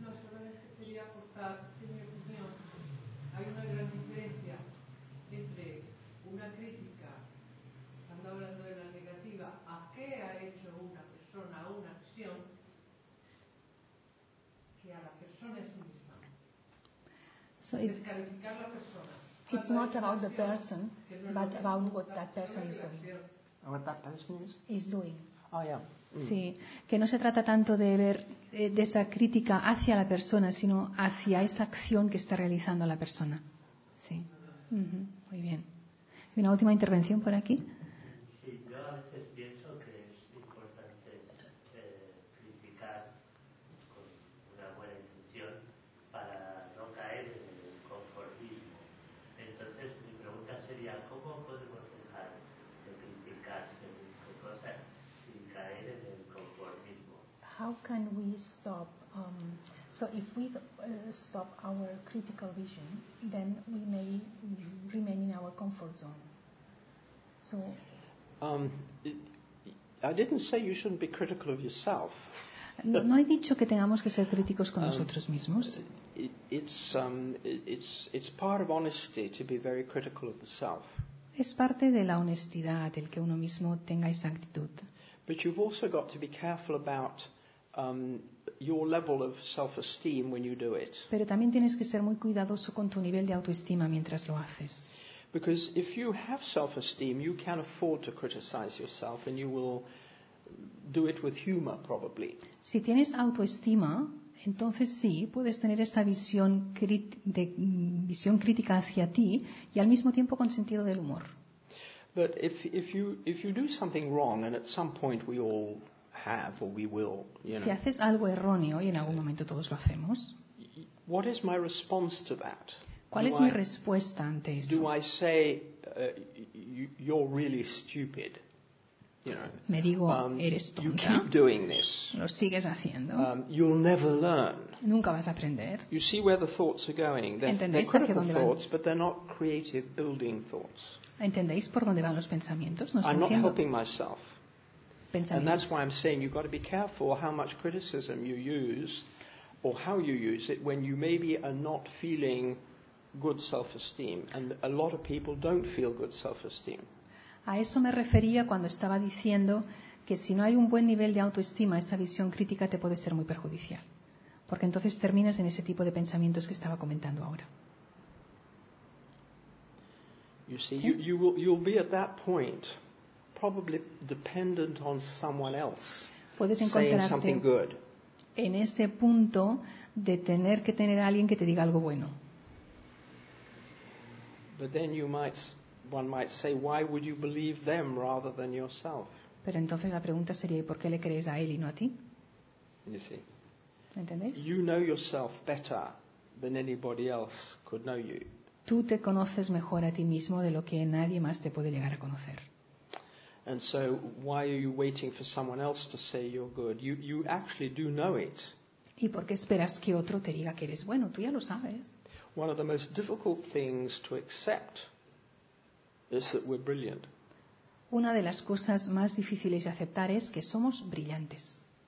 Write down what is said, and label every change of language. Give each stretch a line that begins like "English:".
Spanish: No, solamente quería aportar, en mi opinión, hay una gran diferencia entre una crítica, cuando hablando de la negativa, a qué ha hecho una persona o una acción, que a la persona en sí misma.
English: So
Spanish: descalificar la persona.
English: It's not about the person, but about what that person is doing. What that person is? Is doing. Oh, yeah.
Spanish: Sí, que no se trata tanto de ver de esa crítica hacia la persona, sino hacia esa acción que está realizando la persona. Sí. Muy bien. ¿Y una última intervención por aquí? Sí, yo a veces pienso que es importante criticar con una buena intención para no caer en el conformismo. Entonces mi pregunta sería, ¿cómo podemos dejar de criticar según cosas sin caer en el conformismo?
English: How can we stop? If we stop our critical vision, then we may remain in our comfort zone. So. I didn't say you shouldn't be critical of yourself.
Spanish: No he dicho que tengamos que ser críticos con nosotros mismos.
English: It's part of honesty to be very critical of the self.
Spanish: Es parte de la honestidad el que uno mismo tenga esa actitud.
English: But you've also got to be careful about your level of self-esteem when you do it.
Spanish: Pero también tienes que ser muy cuidadoso con tu nivel de autoestima mientras lo haces.
English: Because if you have self-esteem, you can afford to criticize yourself and you will do it with humor, probably.
Spanish: Si tienes autoestima, entonces sí, puedes tener esa visión crítica hacia ti y al mismo tiempo con sentido del humor.
English: But if you do something wrong, and at some point we all have or we will, you know.
Spanish: Si haces algo erróneo y en algún momento todos lo hacemos.
English: What is my response to that?
Spanish: ¿Cuál es mi respuesta ante eso?
English: Do I say you're really stupid?
Spanish: Me digo, eres tonta.
English: You keep doing this.
Spanish: Lo sigues haciendo.
English: You'll never learn.
Spanish: Nunca vas a aprender.
English: You see where the thoughts are going.
Spanish: ¿Entendéis
English: they're critical thoughts, but they're not creative building thoughts.
Spanish: ¿Entendéis por dónde van los pensamientos? No,
English: I'm not helping myself. And that's why I'm saying you've got to be careful how much criticism you use or how you use it when you maybe are not feeling good self-esteem. And a lot of people don't feel good self-esteem.
Spanish: A eso me refería cuando estaba diciendo que si no hay un buen nivel de autoestima, esa visión crítica te puede ser muy perjudicial. Porque entonces terminas en ese tipo de pensamientos que estaba comentando ahora.
English: You see, you will be at that point probably dependent on someone else saying something good.
Spanish: En ese punto de tener que tener a alguien que te diga algo bueno.
English: But then one might say, why would you believe them rather than yourself?
Spanish: Pero entonces la pregunta sería, ¿y por qué le crees a él y no a ti?
English: You see.
Spanish: ¿Entendéis?
English: You know yourself better than anybody else could know you.
Spanish: Tú te conoces mejor a ti mismo de lo que nadie más te puede llegar a conocer.
English: And so why are you waiting for someone else to say you're good? You actually do know it.
Spanish: ¿Y por qué esperas que otro te diga que eres bueno? Tú ya lo sabes.
English: One of the most difficult things to accept is that we're brilliant.
Spanish: Una de las cosas más difíciles de aceptar es que somos brillantes.